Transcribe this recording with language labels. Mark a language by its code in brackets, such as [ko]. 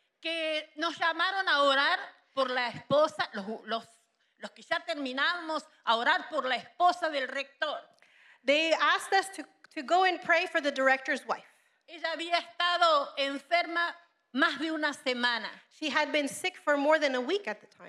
[es] Que nos llamaron a orar por la esposa, los que ya terminamos a orar por la esposa del rector. [en] They asked us to go and pray for the director's wife. [es] Ella había estado enferma más de una semana. [en] She had been sick for more than a week at the time.